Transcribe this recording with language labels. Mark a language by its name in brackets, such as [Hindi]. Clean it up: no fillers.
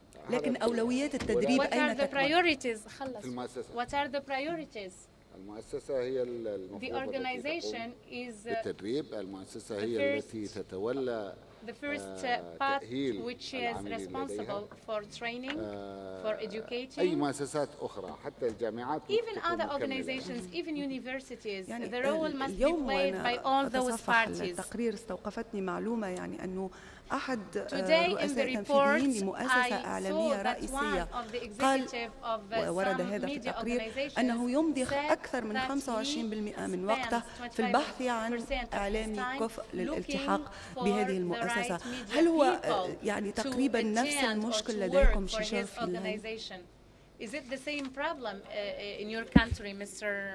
[Arabic] لكن أولويات التدريب أين تكمن؟ [English] What are the priorities? [Arabic] خلص. [English] What are the priorities? [Arabic] المؤسسة هي المفروض [English] The organization is [Arabic] التدريب المؤسسة هي التي تتولى [English] The first part which is responsible for training for educating [Arabic] أي مؤسسات أخرى حتى الجامعات [English] Even other organizations even universities the role must be played by all those parties [Arabic] التقرير استوقفتني معلومة يعني أنه أحد رؤساء تنفيذيين لمؤسسة إعلامية رئيسية قال وورد هذا في التقرير أنه يمضي أكثر من 25% من وقته في البحث عن إعلامي كفء للالتحاق بهذه المؤسسة هل هو يعني تقريبا نفس المشكل لديكم شيشان في الهند؟ [English] Is it the same problem in your country, Mr.